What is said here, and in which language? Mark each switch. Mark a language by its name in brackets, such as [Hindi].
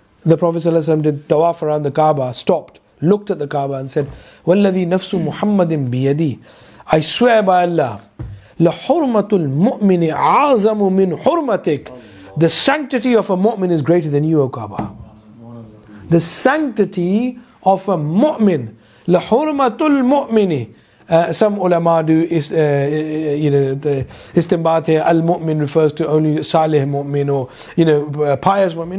[English] The Prophet did tawaf around the Kaaba, stopped, looked at the Kaaba and said, [Arabic] وَالَّذِي نَفْسُ مُحَمَّدٍ بِيَدِي. [English] I swear by Allah, [Arabic] لَحُرْمَةُ الْمُؤْمِنِ عَظَمُ مِنْ حُرْمَتِكَ. [English] The sanctity of a mu'min is greater than you, O Kaaba. The sanctity of a mu'min, [Arabic] لَحُرْمَةُ الْمُؤْمِنِ [English] Some ulama do is the istinbat here, al mu'min refers to only salih mu'min or pious mu'min.